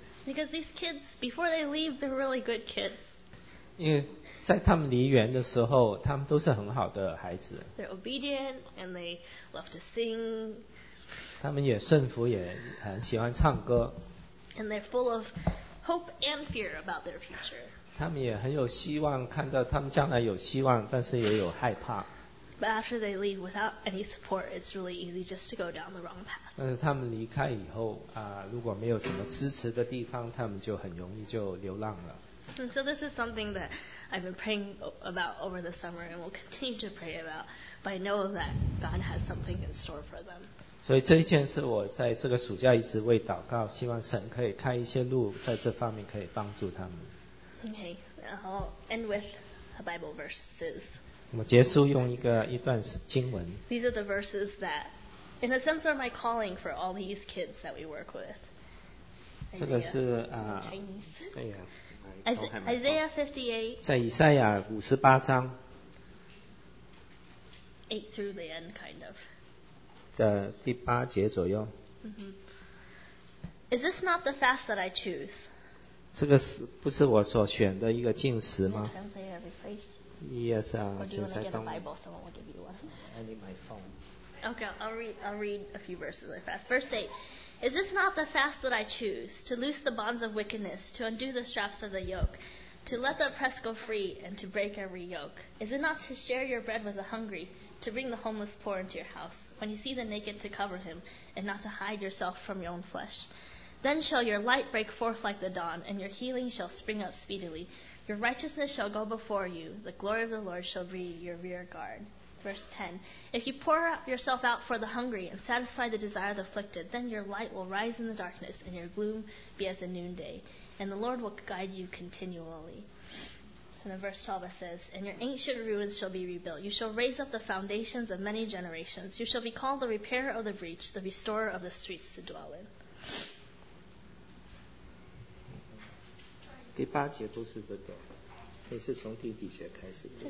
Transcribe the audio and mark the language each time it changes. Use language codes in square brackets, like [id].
[en] Because these kids, before they leave, they're really good kids. [zh] 因为在他们离园的时候，他们都是很好的孩子。 [en] They're obedient and they love to sing. [zh] 他们也顺服，也很喜欢唱歌。 [en] And they're full of hope and fear about their future. [zh] 他们也很有希望，看到他们将来有希望，但是也有害怕。 [en] But after they leave without any support, it's really easy just to go down the wrong path. [zh] 但是他们离开以后如果没有什么支持的地方，他们就很容易就流浪了。 [en] And so this is something that I've been praying about over the summer and will continue to pray about, but I know that God has something in store for them. [zh] 所以这一件事我在这个暑假一直为祷告，希望神可以开一些路，在这方面可以帮助他们。 [en] Okay, I'll end with a Bible verses. [zh] 我结束用一段经文。 [en] These are the verses that, in a sense, are my calling for all these kids that we work with. [zh] 这个是 [en] Chinese. Isaiah 58. [zh] 在以赛亚五十八章。 [en] 8 through the end, kind of. [zh] 第八节左右。 [en] Is this not the fast that I choose? [zh] 这个是不是我所选的一个禁食吗 ？Yes, [en] Or do you want to get a Bible? Someone will give you one. I need my phone. Okay, I'll read a few verses really fast. Verse 8. Is this not the fast that I choose, to loose the bonds of wickedness, to undo the straps of the yoke, to let the oppressed go free and to break every yoke? Is it not to share your bread with the hungry, to bring the homeless poor into your house, when you see the naked to cover him, and not to hide yourself from your own flesh? Then shall your light break forth like the dawn, and your healing shall spring up speedily. Your righteousness shall go before you, the glory of the Lord shall be your rear guard. Verse 10, if you pour yourself out for the hungry and satisfy the desire of the afflicted, then your light will rise in the darkness and your gloom be as a noonday, and the Lord will guide you continually. And then verse 12, it says, and your ancient ruins shall be rebuilt. You shall raise up the foundations of many generations. You shall be called the repairer of the breach, the restorer of the streets to dwell in. [zh] 第八节都是这个，你是从第几节开始读